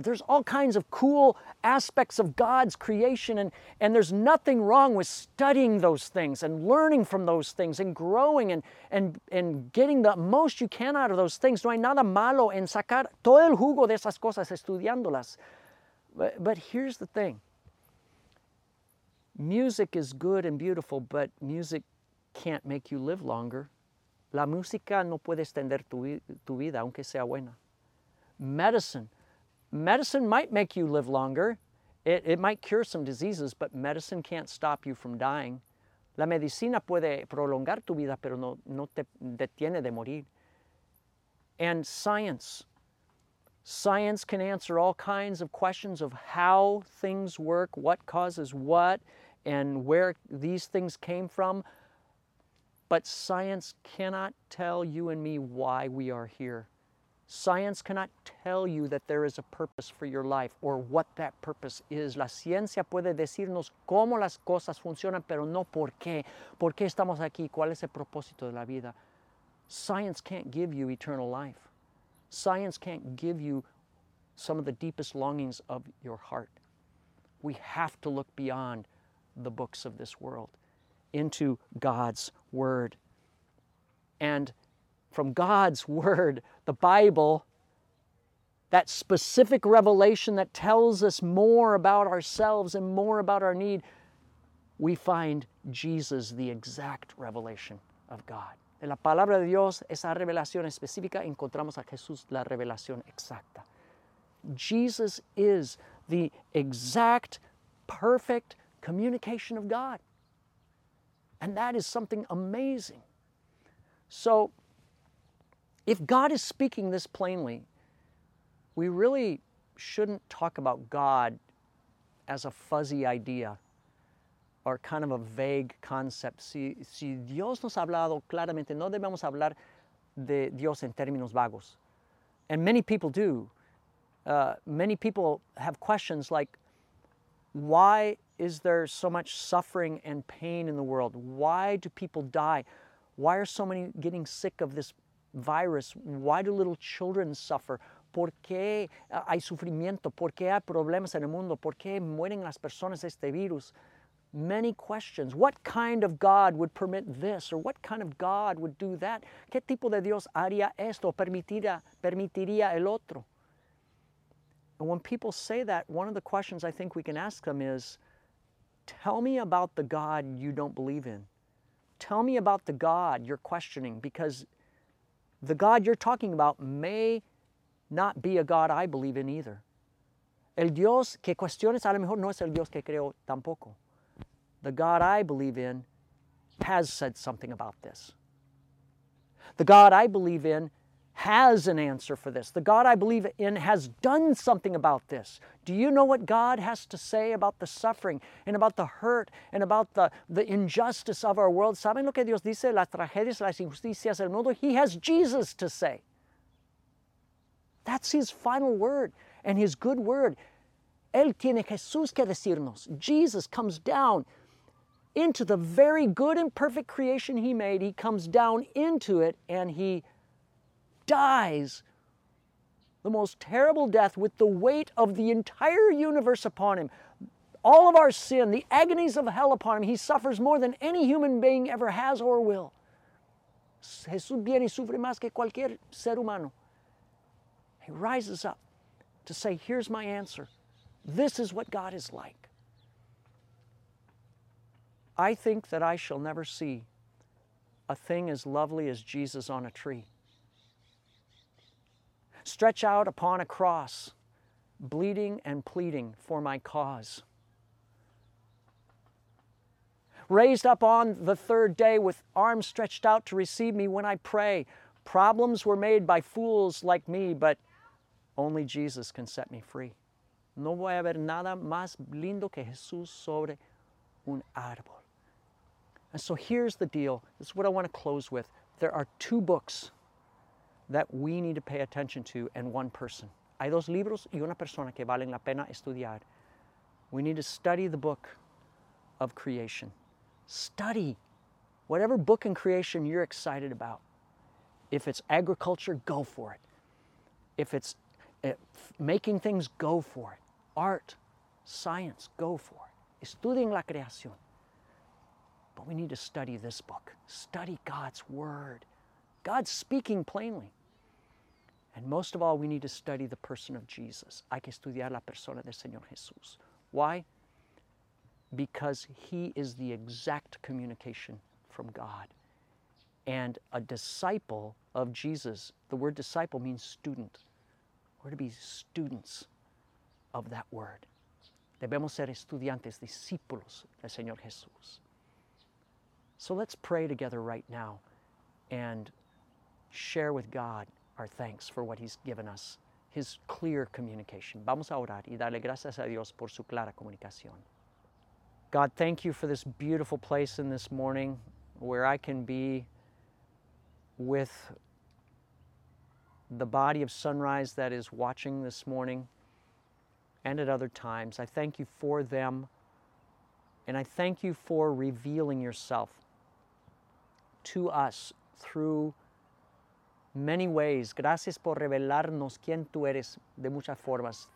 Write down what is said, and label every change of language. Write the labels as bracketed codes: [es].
[en] There's all kinds of cool aspects of God's creation, and there's nothing wrong with studying those things and learning from those things and growing and getting the most you can out of those things. [es] No hay nada malo en sacar todo el jugo de esas cosas estudiándolas. [en] But here's the thing. Music is good and beautiful, but music can't make you live longer. [es] La música no puede extender tu vida, aunque sea buena. [en] Medicine might make you live longer. It might cure some diseases, but medicine can't stop you from dying. [es] La medicina puede prolongar tu vida, pero no te detiene de morir. [en] And science can answer all kinds of questions of how things work, what causes what, and where these things came from. But science cannot tell you and me why we are here. Science cannot tell you that there is a purpose for your life or what that purpose is. [es] La ciencia puede decirnos cómo las cosas funcionan, pero no por qué. ¿Por qué estamos aquí? ¿Cuál es el propósito de la vida? [en] Science can't give you eternal life. Science can't give you some of the deepest longings of your heart. We have to look beyond the books of this world into God's Word. And from God's Word, the Bible, that specific revelation that tells us more about ourselves and more about our need, we find Jesus, the exact revelation of God. [es] En la palabra de Dios, esa revelación específica, encontramos a Jesús, la revelación exacta. [en] Jesus is the exact, perfect communication of God. And that is something amazing. So, if God is speaking this plainly, we really shouldn't talk about God as a fuzzy idea or kind of a vague concept. [es] Si Dios nos ha hablado claramente, no debemos hablar de Dios en términos vagos. [en] And many people do. Many people have questions like, why is there so much suffering and pain in the world? Why do people die? Why are so many getting sick of this virus? Why do little children suffer? [es] ¿Por qué hay sufrimiento? ¿Por qué hay problemas en el mundo? ¿Por qué mueren las personas este virus? [en] Many questions. What kind of God would permit this? Or what kind of God would do that? [es] ¿Qué tipo de Dios haría esto? ¿Permitiría el otro? [en] And when people say that, one of the questions I think we can ask them is, tell me about the God you don't believe in. Tell me about the God you're questioning, because the God you're talking about may not be a God I believe in either. [es] El Dios que cuestiones a lo mejor no es el Dios que creo tampoco. [en] The God I believe in has said something about this. The God I believe in has an answer for this. The God I believe in has done something about this. Do you know what God has to say about the suffering and about the hurt and about the injustice of our world? [es] ¿Saben lo que Dios dice? Las tragedias, las injusticias del mundo. [en] He has Jesus to say. That's His final word and His good word. [es] Él tiene Jesús que decirnos. [en] Jesus comes down into the very good and perfect creation He made. He comes down into it and He dies the most terrible death with the weight of the entire universe upon Him. All of our sin, the agonies of hell upon Him. He suffers more than any human being ever has or will. [es] Jesús viene y sufre más que cualquier ser humano. [en] He rises up to say, here's my answer. This is what God is like. I think that I shall never see a thing as lovely as Jesus on a tree. Stretch out upon a cross, bleeding and pleading for my cause. Raised up on the third day with arms stretched out to receive me when I pray. Problems were made by fools like me, but only Jesus can set me free. [es] No voy a ver nada más lindo que Jesús sobre un árbol. [en] And so here's the deal. This is what I want to close with. There are two books that we need to pay attention to and one person. [es] Hay dos libros y una persona que valen la pena estudiar. [en] We need to study the book of creation. Study whatever book in creation you're excited about. If it's agriculture, go for it. If it's making things, go for it. Art, science, go for it. [es] Estudien la creación. [en] But we need to study this book. Study God's word. God's speaking plainly. And most of all, we need to study the person of Jesus. [es] Hay que estudiar la persona del Señor Jesús. [en] Why? Because he is the exact communication from God. And a disciple of Jesus, the word disciple means student. We're to be students of that word. [es] Debemos ser estudiantes, discípulos del Señor Jesús. [en] So let's pray together right now and share with God our thanks for what he's given us, his clear communication. [es] Vamos a orar y darle gracias a Dios por su clara comunicación. [en] God, thank you for this beautiful place in this morning where I can be with the body of sunrise that is watching this morning and at other times. I thank you for them, and I thank you for revealing yourself to us through many ways. [es] Gracias por revelarnos quién tú eres de muchas formas.